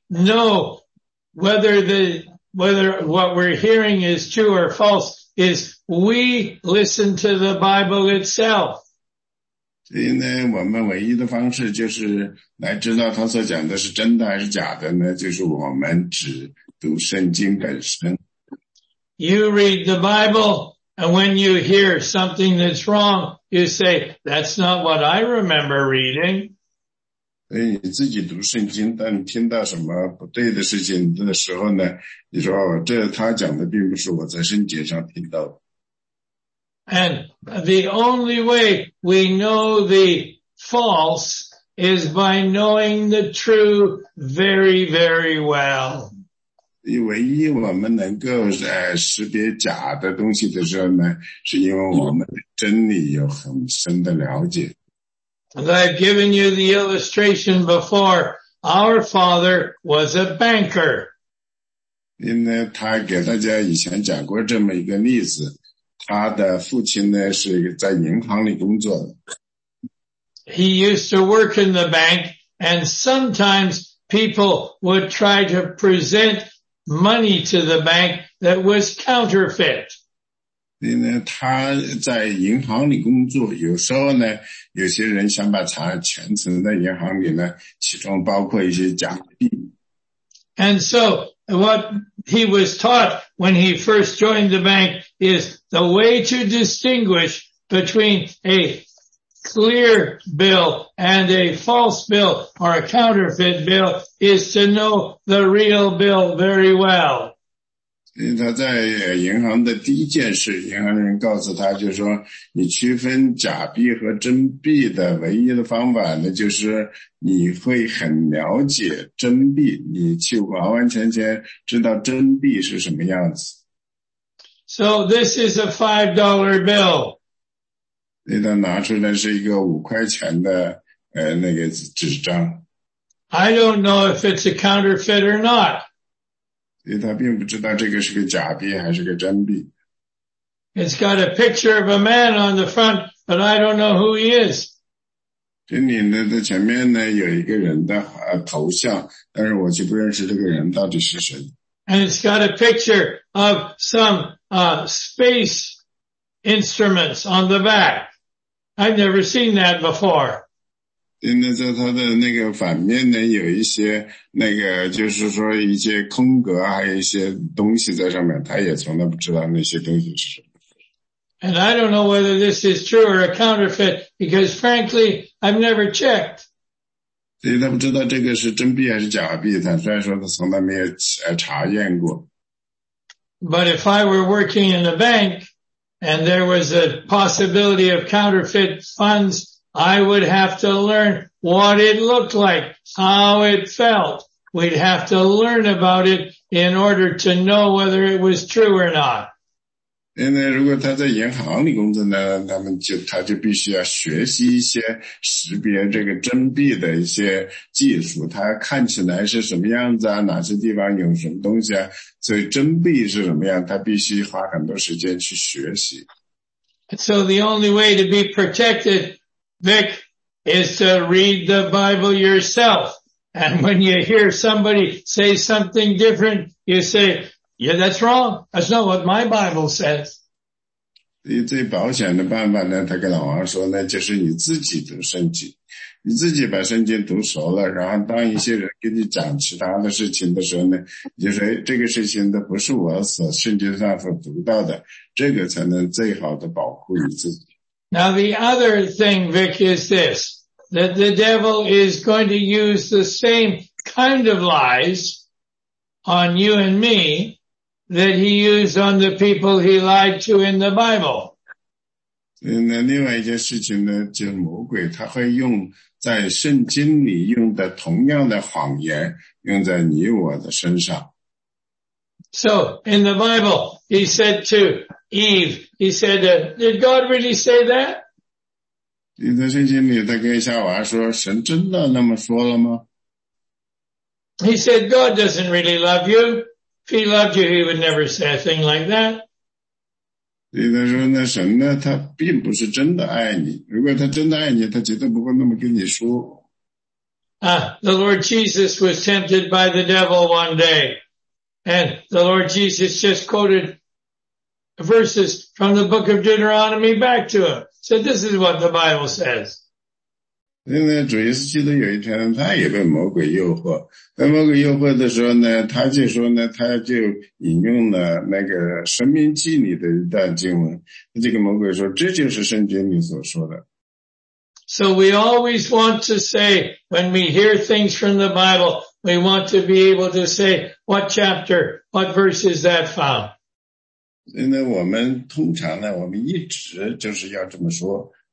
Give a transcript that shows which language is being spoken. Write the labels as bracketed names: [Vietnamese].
[English] know whether what we're hearing is true or false is we listen to the Bible itself. [Chinese] 所以呢，我们唯一的方式就是来知道他所讲的是真的还是假的呢？就是我们只读圣经本身。 [English] You read the Bible, and when you hear something that's wrong, you say, "That's not what I remember reading." [Chinese] 所以你自己读圣经，但听到什么不对的事情的时候呢？你说，哦，这他讲的并不是我在圣经上听到的。 [English] And the only way we know the false is by knowing the true very, very well. [Chinese] 唯一我们能够识别假的东西的时候呢，是因为我们真理有很深的了解。 [English] And I've given you the illustration before. Our father was a banker. [Chinese] 因为他给大家以前讲过这么一个例子。他的父亲呢是在银行里工作的。 [English] He used to work in the bank, and sometimes people would try to present money to the bank that was counterfeit. [Chinese] 因为他在银行里工作，有时候呢，有些人想把钱存在银行里呢，其中包括一些假币。 [English] And so,what he was taught when he first joined the bank is the way to distinguish between a clear bill and a false bill or a counterfeit bill is to know the real bill very well. [Chinese] 他在银行的第一件事，银行人告诉他就是说，你区分假币和真币的唯一的方法呢，就是你会很了解真币，你去完完全全知道真币是什么样子。 [English] So this is a $5 bill. [Chinese] 那他拿出来是一个五块钱的那个纸张。 [English] I don't know if it's a counterfeit or not. [Chinese] 因为他并不知道这个是个假币还是个真币。 [English] It's got a picture of a man on the front, but I don't know who he is. [Chinese] 这里呢，在前面呢，有一个人的头像，但是我就不认识这个人到底是谁。 [English] And it's got a picture of some, space instruments on the back. I've never seen that before. [Chinese] 因为在它的那个反面呢，有一些那个，就是说一些空格，还有一些东西在上面，他也从来不知道那些东西是什么。 [English] And I don't know whether this is true or a counterfeit because, frankly, I've never checked. [Chinese] 所以他不知道这个是真币还是假币，坦率说他从来没有查验过。 [English] But if I were working in the bank and there was a possibility of counterfeit funds. I would have to learn what it looked like, how it felt. We'd have to learn about it in order to know whether it was true or not. [Chinese] 因为如果他在银行里工作呢，他就必须要学习一些识别这个真币的一些技术，它看起来是什么样子啊，哪些地方有什么东西啊，所以真币是什么样，他必须花很多时间去学习。 [English] So the only way to be protected,Vic, is to read the Bible yourself. And when you hear somebody say something different, you say, yeah, that's wrong. That's not what my Bible says. [Chinese] 最保险的办法呢，他跟老王说呢，就是你自己读圣经。你自己把圣经读熟了，然后当一些人跟你讲其他的事情的时候呢，你就说这个事情都不是我所圣经上所读到的，这个才能最好的保护你自己。 [English] Now the other thing, Vic, is this, that the devil is going to use the same kind of lies on you and me that he used on the people he lied to in the Bible. [Chinese] 那另外一件事情呢，就是魔鬼他会用在圣经里用的同样的谎言用在你我的身上。 [English] So, in the Bible, he said to Eve, he said, did God really say that? [Chinese] 你在圣经里他跟夏娃说，神真的那么说了吗？ [English] He said, God doesn't really love you. If he loved you, he would never say a thing like that. [Chinese] 你在说那神呢，他并不是真的爱你。如果他真的爱你，他绝对不会那么跟你说。 [English] The Lord Jesus was tempted by the devil one day. And the Lord Jesus just quoted verses from the book of Deuteronomy back to him. So this is what the Bible says. [Chinese] 那主耶稣基督有一天他也被魔鬼诱惑，被魔鬼诱惑的时候呢，他就说呢，他就引用了那个《申命记》里的一段经文，这个魔鬼说，这就是圣经里所说的。 [English] So we always want to say, when we hear things from the Bible, we want to be able to say, what chapter, what verse is that found? [Chinese] 那我们通常呢，我们一直就是要这么说。